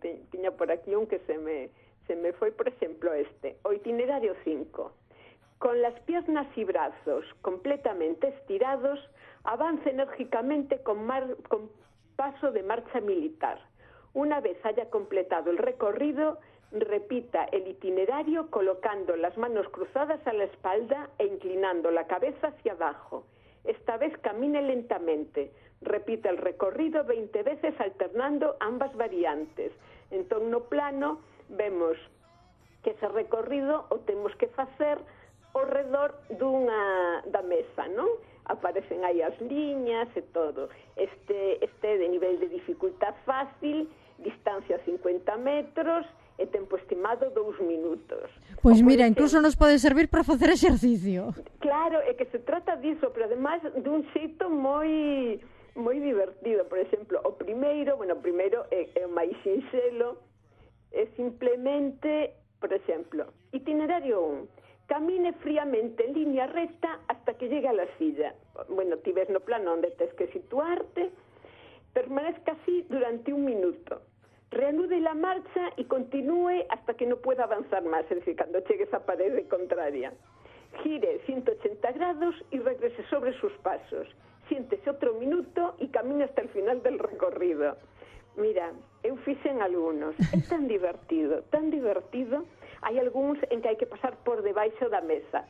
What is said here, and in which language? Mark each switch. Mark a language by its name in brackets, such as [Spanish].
[Galician] Tiña por aquí un que se me foi, por exemplo, este. O itinerario 5. [Spanish] Con las piernas y brazos completamente estirados, avance enérgicamente con paso de marcha militar. Una vez haya completado el recorrido, repita el itinerario colocando las manos cruzadas a la espalda e inclinando la cabeza hacia abajo. Esta vez camine lentamente. Repita el recorrido 20 veces alternando ambas variantes. Entonces, no plano, vemos que ese recorrido o tenemos que hacer alrededor da mesa, ¿no? [Galician] Aparecen aí as liñas e todo. Este de nivel de dificultad fácil, distancia 50 metros e tempo estimado 2 minutos. Pois mira, incluso nos pode servir para facer exercicio. Claro, é que se trata disso, pero además dun xeito moi moi divertido. Por exemplo, o primeiro é o máis sinxelo, é simplemente, por exemplo, itinerario 1. [Spanish] Camine fríamente en línea recta hasta que llegue a la silla. [Galician] Bueno, ti ves no plano onde tens que situarte. [Spanish] Permanezca así durante un minuto. Reanude la marcha y continúe hasta que no pueda avanzar más, es decir, cuando llegues a pared contraria. Gire 180 grados y regrese sobre sus pasos. Siéntese otro minuto y camine hasta el final del recorrido. [Galician] Mira, eu fixen algunos. Es tan divertido. Hai algúns en que hai que pasar por debaixo da mesa.